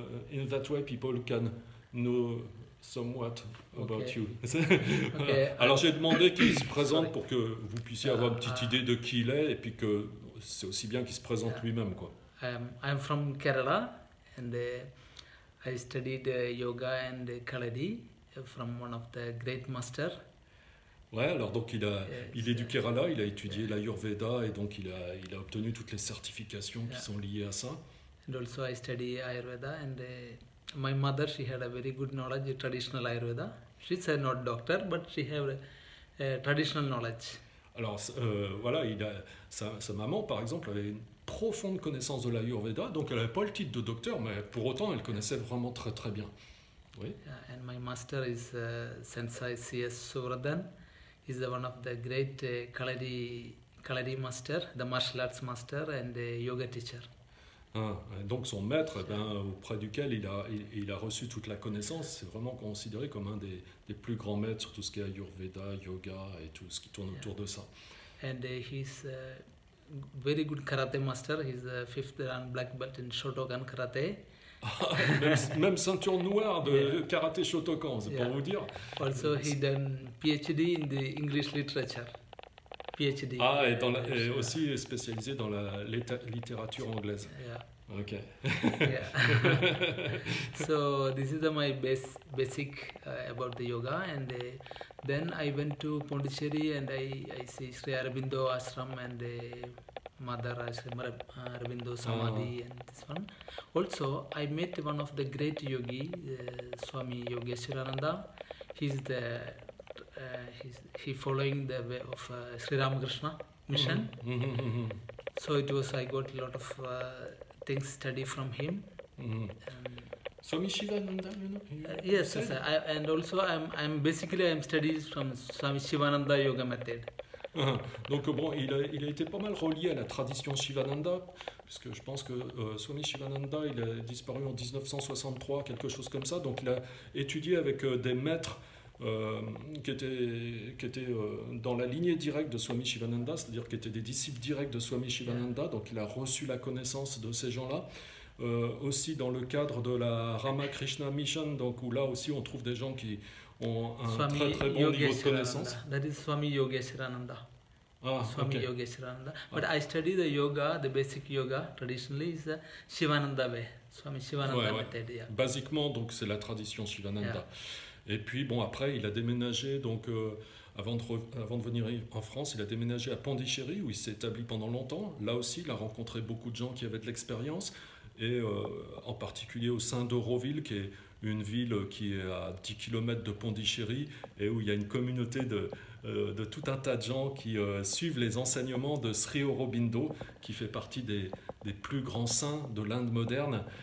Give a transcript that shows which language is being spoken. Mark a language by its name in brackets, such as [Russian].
[English] In that way people can know somewhat about okay. you. Okay. [French] Alors j'ai demandé qu'il se présente pour que vous puissiez avoir une petite idée de qui il est et puis que c'est aussi bien qu'il se présente lui-même quoi. [English] I'm from Kerala and I studied yoga and Kaladi from one of the great masters. [French] Ouais, alors donc il est du Kerala, il a étudié l'Ayurveda et donc il a obtenu toutes les certifications qui sont liées à ça. [English] And also I study Ayurveda and my mother she had a very good knowledge of traditional Ayurveda. She's not doctor but she have a traditional knowledge. [French] Alors voilà, sa maman par exemple avait une profonde connaissance de l'Ayurveda, donc elle avait pas le titre de docteur mais pour autant elle connaissait vraiment très très bien. Oui. [English] Yeah, and my master is Sensei C.S. Suvardhan. He's the one of the great Kaladi master, the martial arts master and the yoga teacher. [French] Ah, donc son maître, auprès duquel il a reçu toute la connaissance, c'est vraiment considéré comme un des plus grands maîtres sur tout ce qui est Ayurveda, yoga et tout ce qui tourne autour de ça. [English] And he's a very good karate master. He's a fifth rank black belt in Shotokan karate. [French] même ceinture noire de karaté Shotokan, c'est pour vous dire. [English] Also, he done PhD in the English literature. PhD. [French] Ah, et dans et aussi spécialisé dans la littérature anglaise. Yeah. Ok. Yeah. [English] So this is my basic about the yoga, and then I went to Pondicherry and I see Sri Aurobindo ashram and Mother Ashram, Aurobindo Samadhi and this one. Also, I met one of the great yogi, Swami Yogeshwarananda. He following the way of Sri Ramakrishna mission. Mm-hmm. So it was, I got a lot of things study from him. Mm-hmm. Swami Shivananda, you know? Yes, yes. And also, I'm studying from Swami Shivananda yoga method. [French] Donc bon, il a été pas mal relié à la tradition Shivananda, puisque je pense que Swami Shivananda, il a disparu en 1963, quelque chose comme ça. Donc il a étudié avec des maîtres qui étaient dans la lignée directe de Swami Shivananda, c'est-à-dire qui étaient des disciples directs de Swami Shivananda. Donc il a reçu la connaissance de ces gens-là. Aussi dans le cadre de la Ramakrishna Mission, donc où là aussi on trouve des gens qui ont un Swami très très bon niveau de connaissance. [English] That is Swami Yogeshwarananda. Ah, Swami okay. Yogeshwarananda. But I study the yoga, the basic yoga traditionally is Shivananda way. Swami Sivananda method, yeah. [French] basiquement, donc c'est la tradition Sivananda. Yeah. Et puis bon, après, il a déménagé, donc avant de venir en France, il a déménagé à Pondichéry, où il s'est établi pendant longtemps. Là aussi, il a rencontré beaucoup de gens qui avaient de l'expérience, et en particulier au sein d'Auroville, qui est une ville qui est à 10 km de Pondichéry, et où il y a une communauté de tout un tas de gens qui suivent les enseignements de Sri Aurobindo, qui fait partie des plus grands saints de l'Inde moderne.